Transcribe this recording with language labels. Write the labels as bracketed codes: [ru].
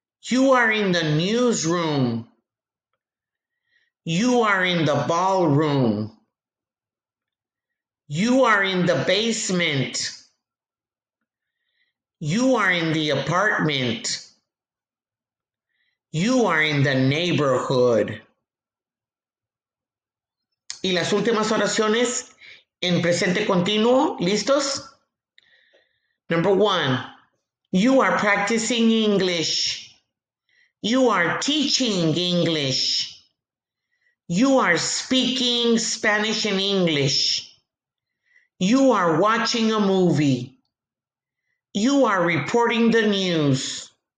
[en] You are in the newsroom. You are in the ballroom. You are in the basement. You are in the apartment. You are in the neighborhood. [es] Y las últimas oraciones. En presente continuo, ¿listos? [en] Number one, you are practicing English. You are teaching English. You are speaking Spanish and English. You are watching a movie. You are reporting the news.